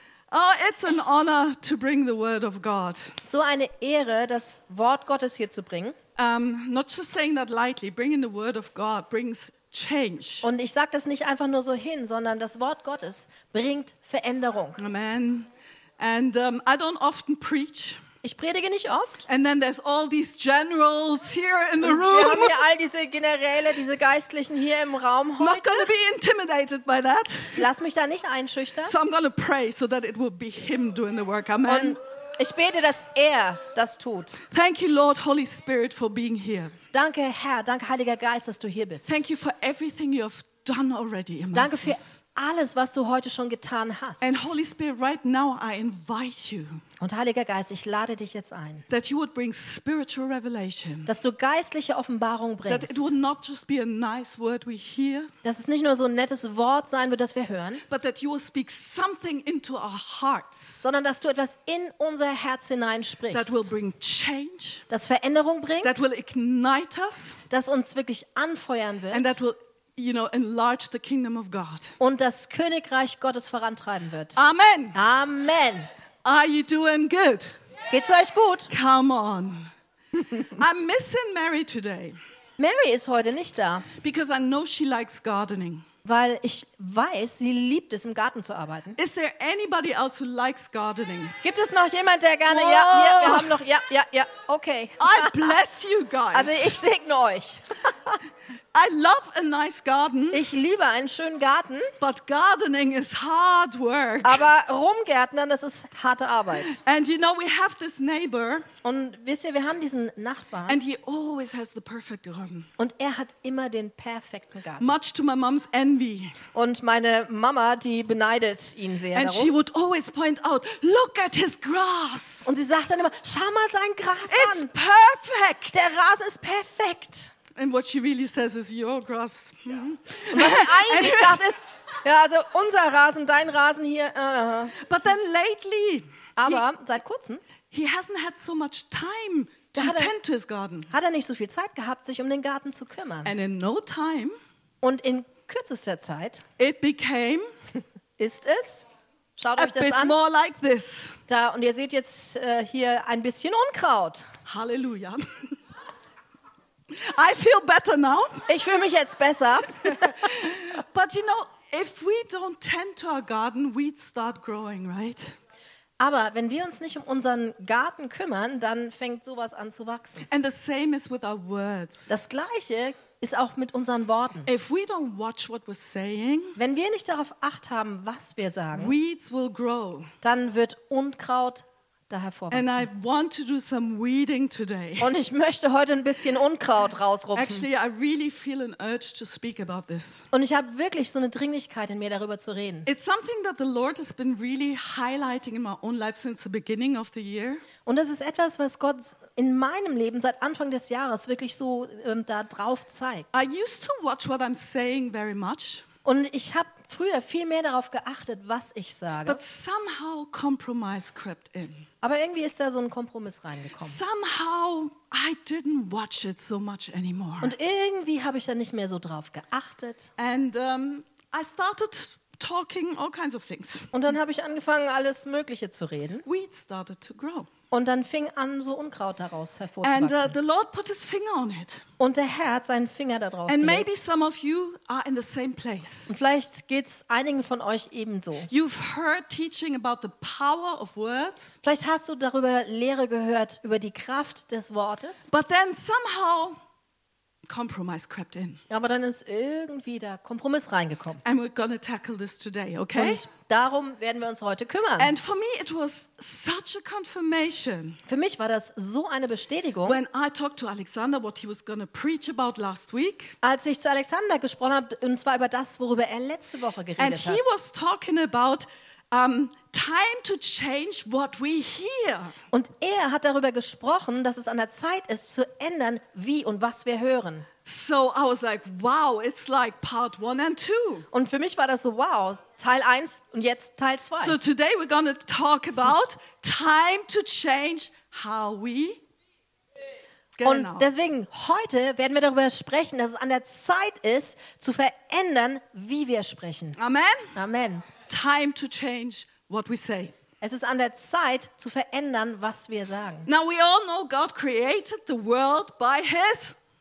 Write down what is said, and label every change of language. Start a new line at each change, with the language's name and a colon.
English: Oh, it's an honor to bring the word of God.
German: So eine Ehre, das Wort Gottes hier zu bringen.
English: Not just saying that lightly, bringing the word of God brings change.
German: Und ich sage das nicht einfach nur so hin, sondern das Wort Gottes bringt Veränderung.
English: Amen. And I don't often preach.
German: Ich predige nicht oft.
English: And then there's all these generals here in the room.
German: Wir haben hier all diese Generäle, diese Geistlichen hier im Raum heute.
English: Not gonna be intimidated by that.
German: Lass mich da nicht einschüchtern.
English: So I'm gonna pray so that it will be him doing the work. Amen.
German: Und ich bete, dass er das tut.
English: Thank you, Lord, Holy Spirit, for being here.
German: Danke, Herr, danke, Heiliger Geist, dass du hier bist.
English: Thank you for everything you have done already in my
German: Danke für alles, was du heute schon getan hast.
English: And Holy Spirit, right now I invite you.
German: Und Heiliger Geist, ich lade dich jetzt ein.
English: That you would bring spiritual revelation.
German: Dass du geistliche Offenbarung bringst.
English: That it would not just be a nice word we hear.
German: Dass es nicht nur so ein nettes Wort sein wird, das wir hören.
English: But that you will speak something into our hearts.
German: Sondern dass du etwas in unser Herz hineinsprichst.
English: That will bring change.
German: Das Veränderung bringt.
English: That will ignite us.
German: Das uns wirklich anfeuern wird.
English: And that will you know, enlarge the kingdom of God.
German: Und das Königreich Gottes vorantreiben wird. Amen. Amen.
English: Are you doing good?
German: Yeah. Geht's euch gut?
English: Come on. I'm missing Mary today.
German: Mary ist heute nicht da.
English: Because I know she likes gardening.
German: Weil ich weiß, sie liebt es, im Garten zu arbeiten.
English: Is there anybody else who likes gardening?
German: Gibt es noch jemand, der gerne? Whoa. Ja, ja, wir haben noch. Ja, ja, ja. Okay.
English: I bless you guys.
German: Also ich segne euch.
English: I love a nice garden.
German: Ich liebe einen schönen Garten.
English: But gardening is hard work.
German: Aber rumgärtnern, das ist harte Arbeit.
English: And you know, we have this neighbor.
German: Und wisst ihr, wir haben diesen Nachbarn.
English: And he always has the perfect garden.
German: Und er hat immer den perfekten Garten.
English: Much to my mom's envy.
German: Und meine Mama, die beneidet ihn sehr
English: And
German: darum.
English: She would always point out, look at his grass.
German: Und sie sagt dann immer, schau mal sein Gras
English: It's
German: an.
English: It's perfect.
German: Der Rasen ist perfekt.
English: And what she really says is your grass. Yeah.
German: Und was sie eigentlich sagt ist, ja, also unser Rasen, dein Rasen hier.
English: But then lately,
German: aber seit kurzem,
English: he hasn't had so much time to tend to his garden.
German: Hat er nicht so viel Zeit gehabt, sich um den Garten zu kümmern?
English: And in no time,
German: und in kürzester Zeit,
English: it became,
German: ist es, schaut euch das
English: bit
German: an,
English: more like this.
German: Da, und ihr seht jetzt hier ein bisschen Unkraut.
English: Halleluja. I feel better now.
German: Ich fühle mich jetzt besser.
English: But you know, if we don't tend to our garden, weeds start growing, right?
German: Aber wenn wir uns nicht um unseren Garten kümmern, dann fängt sowas an zu wachsen.
English: And the same is with our words.
German: Das gleiche ist auch mit unseren Worten.
English: If we don't watch what we're saying,
German: wenn wir nicht darauf acht haben, was wir sagen,
English: weeds will grow.
German: Dann wird Unkraut
English: And I want to do some weeding today.
German: Und ich möchte heute ein bisschen Unkraut rausrupfen.
English: Actually, I really feel an urge to speak about this.
German: Und ich habe wirklich so eine Dringlichkeit in mir, darüber zu reden.
English: It's something that the Lord has been really highlighting in my own life since the beginning of the year.
German: Und das ist etwas, was Gott in meinem Leben seit Anfang des Jahres wirklich so da drauf zeigt.
English: I used to watch what I'm saying very much.
German: Und ich habe früher viel mehr darauf geachtet, was ich sage.
English: But somehow compromise crept in.
German: Aber irgendwie ist da so ein Kompromiss reingekommen.
English: Somehow I didn't watch it so much anymore.
German: Und irgendwie habe ich da nicht mehr so drauf geachtet.
English: And I started talking all kinds of things.
German: Und dann habe ich angefangen, alles Mögliche zu reden.
English: Weeds started to grow.
German: Und dann fing an, so Unkraut daraus hervorzuwachsen.
English: And the Lord put his finger on it.
German: Und der Herr hat seinen Finger da drauf
English: And
German: gelegt.
English: Maybe some of you are in the same place.
German: Und vielleicht geht's einigen von euch ebenso.
English: You've heard teaching about the power of words.
German: Vielleicht hast du darüber Lehre gehört über die Kraft des Wortes.
English: But then somehow compromise crept in.
German: Aber dann ist irgendwie da Kompromiss reingekommen.
English: And we're gonna tackle this today, okay?
German: Und darum werden wir uns heute kümmern.
English: And for me it was such a confirmation.
German: Für mich war das so eine Bestätigung.
English: When I talked to Alexander what he was gonna preach about last week.
German: Als ich zu Alexander gesprochen habe, und zwar über das, worüber er letzte Woche geredet
English: and
German: hat.
English: And he was talking about time to change what we hear.
German: Und er hat darüber gesprochen, dass es an der Zeit ist, zu ändern, wie und was wir hören.
English: So I was like, wow, it's like part one and two.
German: Und für mich war das so, wow, Teil 1 und jetzt Teil 2.
English: So today we're gonna talk about time to change how we
German: Genau. Und deswegen, heute werden wir darüber sprechen, dass es an der Zeit ist, zu verändern, wie wir sprechen. Amen. Amen.
English: Time to change what we say.
German: Es ist an der Zeit, zu verändern, was wir sagen.
English: Now we all know God created the world by his.